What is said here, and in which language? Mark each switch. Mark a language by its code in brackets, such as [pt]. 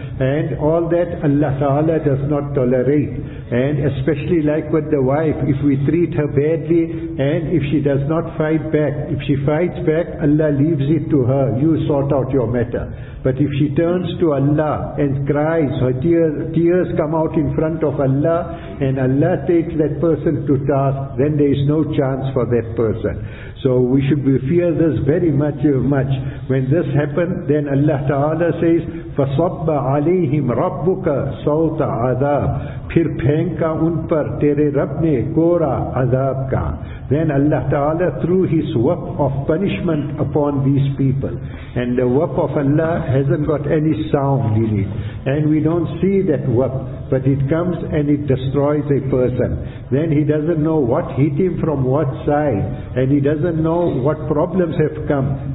[en] And all that Allah Ta'ala does not tolerate. And especially like with the wife, if we treat her badly and if she does not fight back, if she fights back, Allah leaves it to her. You sort out your matter. But if she turns to Allah and cries, her tears come out in front of Allah, and Allah takes that person to task, then there is no chance for that person. So we should fear this very much, much. When this happens, then Allah Ta'ala says, [ar] فَصَبَّ عَلَيْهِمْ رَبُّكَ سَوْتَ عَذَابٍ [ur] پھر پھینکا ان پر تیرے رب نے کورا عذاب کا. [en] Then Allah Ta'ala threw His whip of punishment upon these people. And the whip of Allah hasn't got any sound in it. And we don't see that whip, but it comes and it destroys a person. Then he doesn't know what hit him from what side. And he doesn't know what problems have come.